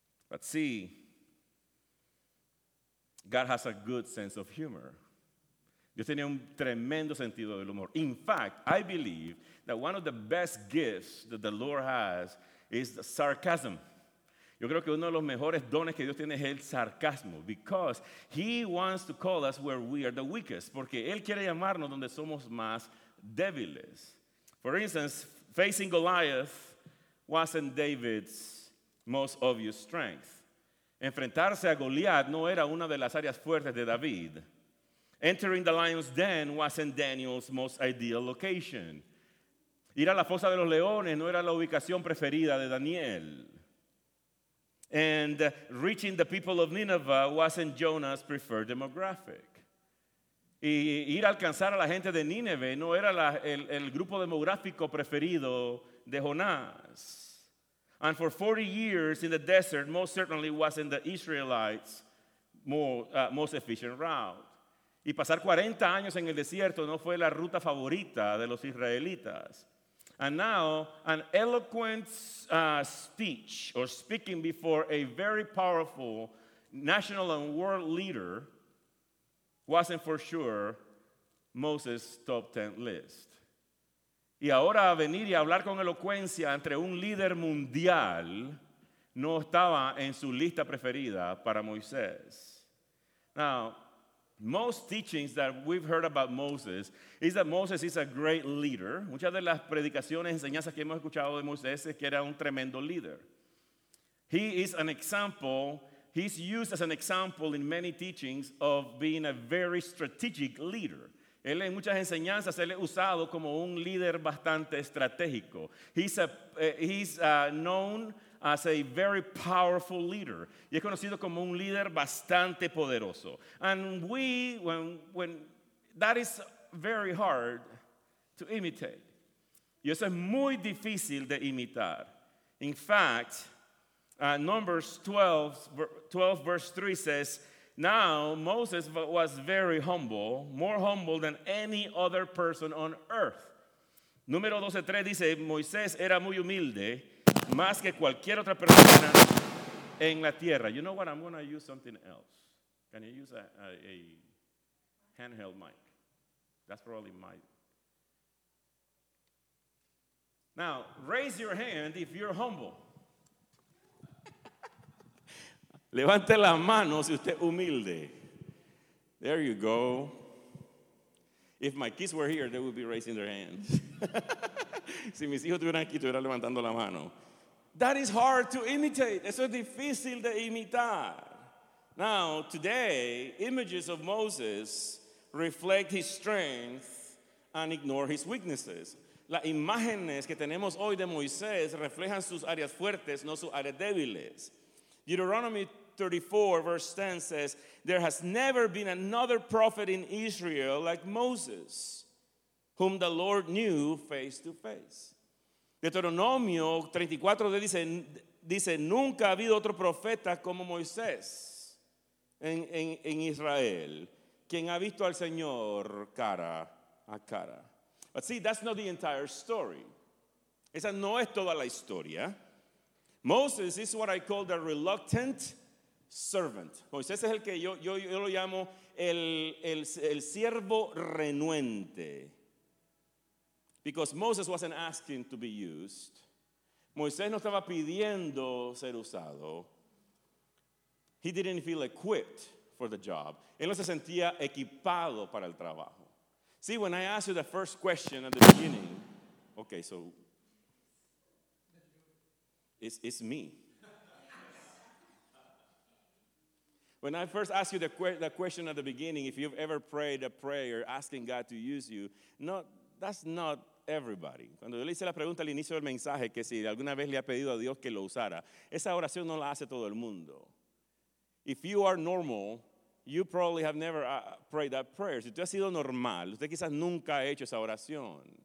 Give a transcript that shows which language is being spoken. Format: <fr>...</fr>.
<en>But see, God has a good sense of humor.</en> <es>Dios tenía un tremendo sentido del humor.</es> <en>In fact, I believe that one of the best gifts that the Lord has is the sarcasm.</en> <es>Yo creo que uno de los mejores dones que Dios tiene es el sarcasmo,</es> <en>because He wants to call us where we are the weakest,</en> <es>porque Él quiere llamarnos donde somos más débiles.</es> <en>For instance, facing Goliath wasn't David's most obvious strength.</en> <es>Enfrentarse a Goliath no era una de las áreas fuertes de David.</es> <en>Entering the lion's den wasn't Daniel's most ideal location.</en> <es>Ir a la fosa de los leones no era la ubicación preferida de Daniel.</es> <en>And reaching the people of Nineveh wasn't Jonah's preferred demographic.</en> <es>Y ir a alcanzar a la gente de Nínive no era el grupo demográfico preferido de Jonás.</es> <en>And for 40 years in the desert, most certainly wasn't the Israelites' most efficient route.</en> <es>Y pasar 40 años en el desierto no fue la ruta favorita de los israelitas.</es> <en>And now, an eloquent speech or speaking before a very powerful national and world leader wasn't for sure Moses' top 10 list.</en> <es>Y ahora venir y hablar con elocuencia entre un líder mundial no estaba en su lista preferida para Moisés.</es> <en>Now, most teachings that we've heard about Moses is that Moses is a great leader.</en> <es>Muchas de las predicaciones, enseñanzas que hemos escuchado de Moisés es que era un tremendo líder.</es> <en>He is an example, he's used as an example in many teachings of being a very strategic leader.</en> <es>Él en muchas enseñanzas, él es usado como un líder bastante estratégico.</es> <en>He's known as a very powerful leader.</en> <es>Y es conocido como un líder bastante poderoso.</es> <en>And when that is very hard to imitate.</en> <es>Y eso es muy difícil de imitar.</es> <en>In fact, Numbers 12 verse 3 says, now Moses was very humble, more humble than any other person on earth.</en> <es>Número 12:3 dice, Moisés era muy humilde, más que cualquier otra persona en la tierra.</es> <en>You know what? I'm going to use something else. Can you use a handheld mic? That's probably my. Now, raise your hand if you're humble.</en> <es>Levante la mano si usted es humilde.</es> <en>There you go. If my kids were here, they would be raising their hands.</en> <es>Si mis hijos estuvieran aquí, estuvieran levantando la mano.</es> <en>That is hard to imitate.</en> <es>Eso es difícil de imitar.</es> <en>Now, today, images of Moses reflect his strength and ignore his weaknesses.</en> <es>Las imágenes que tenemos hoy de Moisés reflejan sus áreas fuertes, no sus áreas débiles.</es> <en>Deuteronomy 34, verse 10 says, "There has never been another prophet in Israel like Moses, whom the Lord knew face to face."</en> <es>Deuteronomio 34 dice, "Nunca ha habido otro profeta como Moisés en Israel, quien ha visto al Señor cara a cara."</es> <en>But see, that's not the entire story.</en> <es>Esa no es toda la historia.</es> <en>Moses is what I call the reluctant servant.</en> <es>Moisés es el que yo lo llamo el siervo renuente.</es> <en>Because Moses wasn't asking to be used.</en> <es>Moisés no estaba pidiendo ser usado.</es> <en>He didn't feel equipped for the job.</en> <es>Él no se sentía equipado para el trabajo.</es> <en>See, when I asked you the first question at the beginning, okay, so it's me. When I first asked you the question at the beginning, if you've ever prayed a prayer asking God to use you, no, that's not everybody.</en> <es>Cuando yo le hice la pregunta al inicio del mensaje, que si alguna vez le ha pedido a Dios que lo usara, esa oración no la hace todo el mundo.</es> <en>If you are normal, you probably have never prayed that prayer.</en> <es>Si usted ha sido normal, usted quizás nunca ha hecho esa oración.</es>